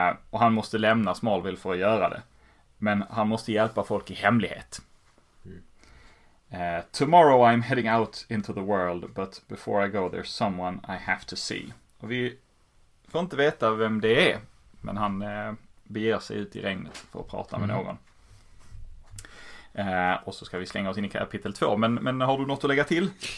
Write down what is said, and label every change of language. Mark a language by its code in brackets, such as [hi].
[sv] Och han måste lämna Smallville för att göra det. Men han måste hjälpa folk i hemlighet. [en] Tomorrow I'm heading out into the world, but before I go there's someone I have to see. [sv] Och vi får inte veta vem det är, men han beger sig ut i regnet för att prata med någon. Och så ska vi slänga oss in i kapitel 2. Men har du något att lägga till?